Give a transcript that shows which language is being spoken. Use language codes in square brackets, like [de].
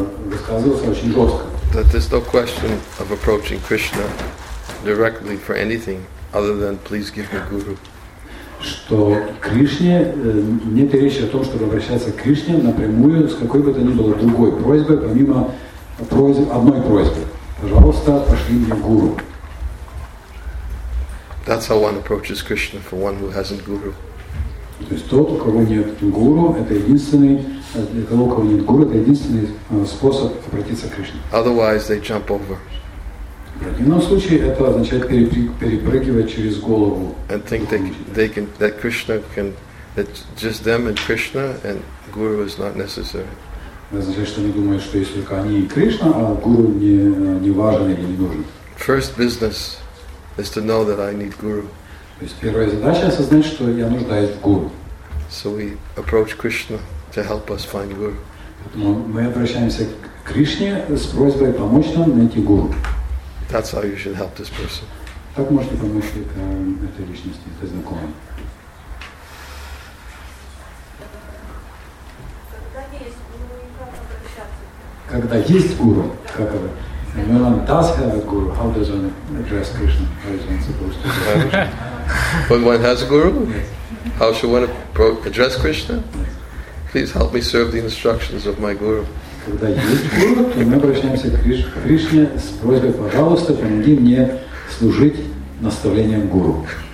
[en] That there's no question of approaching Krishna directly for anything other than please give me guru. [ru] Что Кришне нет речи о том, чтобы обращаться к Кришне напрямую с какой бы то ни было другой просьбой, помимо просьбы, одной просьбы. Пожалуйста, пошли мне гуру. [en] That's how one approaches Krishna for one who hasn't guru. [ru] То есть тот, у кого нет гуру, это единственный, для того, у кого нет гуру, это единственный способ обратиться к Кришне. [en] Otherwise they jump over. [ru] В противном случае это означает перепрыгивать через голову. [en] And think they can, that Krishna can, that just them and Krishna and guru is not necessary. [ru] Значит, что они думают, что есть только они и Кришна, а гуру не важен или не нужен. [en] First business is to know that I need guru. [ru] То есть первая задача осознать, что я нуждаюсь в гуру. [en] So we approach Krishna to help us find guru. [ru] Поэтому мы обращаемся к Кришне с просьбой помочь нам найти гуру. [en] That's how you should help this person. [ru] Так можете помочь этой личности, этой знакомой. Когда есть гуру, как это? [en] When one does have a guru, how does one address Krishna? How is one supposed to? When one has a guru, how should one address Krishna? Please help me serve the instructions of my guru. [ru] Когда есть гуру, то мы обращаемся к Кришне с просьбой, пожалуйста, помоги мне служить наставлением гуру.